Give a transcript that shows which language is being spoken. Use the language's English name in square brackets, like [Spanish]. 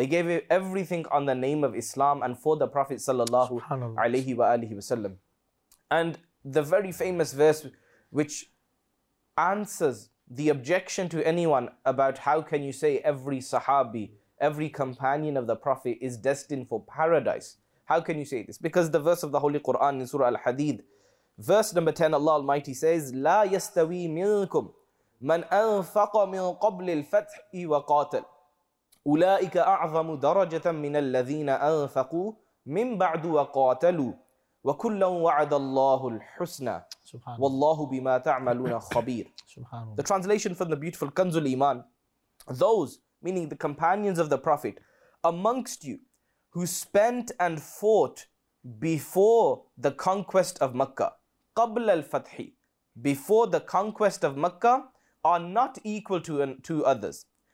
[English] They gave everything on the name of Islam and for the Prophet sallallahu alaihi wa alihi wasallam. And the very famous verse which answers the objection to anyone about how can you say every Sahabi, every companion of the Prophet is destined for paradise. How can you say this? Because the verse of the Holy Quran in Surah Al-Hadid, verse number 10, Allah Almighty says, [Arabic] لا يستوي منكم من أنفق من قبل الفتح وقاتل أولئك أعظم درجة من الذين أنفقوا من بعد وقاتلوا وَكُلَّا وَعَدَ اللَّهُ الْحُسْنَى وَاللَّهُ بِمَا تَعْمَلُونَ خَبِيرٌ. [English] The translation from the beautiful Kanzul Iman, those, meaning the companions of the Prophet, amongst you who spent and fought before the conquest of Makkah, [Arabic] قَبْلَ الْفَتْحِ, [English] before the conquest of Makkah, are not equal to others.